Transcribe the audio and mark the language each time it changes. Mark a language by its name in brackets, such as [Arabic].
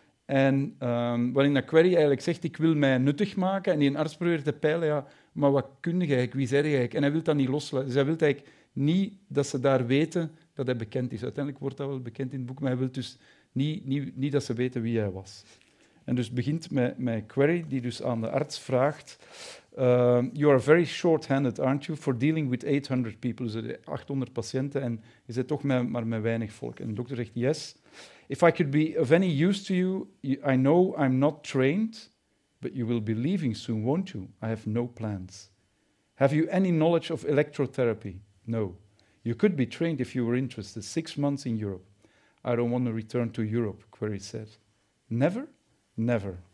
[Dutch] En waarin dat Quarry eigenlijk zegt, ik wil mij nuttig maken en die een arts probeert te peilen, ja... Maar wat kun je eigenlijk? Wie zeg je eigenlijk? En hij wil dat niet loslaten. Dus hij wil eigenlijk niet dat ze daar weten dat hij bekend is. Uiteindelijk wordt dat wel bekend in het boek, maar hij wil dus niet dat ze weten wie hij was. En dus begint met Quarry, die dus aan de arts vraagt... [English] You are very short-handed, aren't you, for dealing with 800 people? [Dutch] Dus 800 patiënten en je zit toch maar met weinig volk. En de dokter zegt, yes. [English] If I could be of any use to you, I know I'm not trained... But you will be leaving soon, won't you? I have no plans. Have you any knowledge of electrotherapy? No. You could be trained if you were interested. 6 months in Europe. I don't want to return to Europe, Quarry said. Never? Never.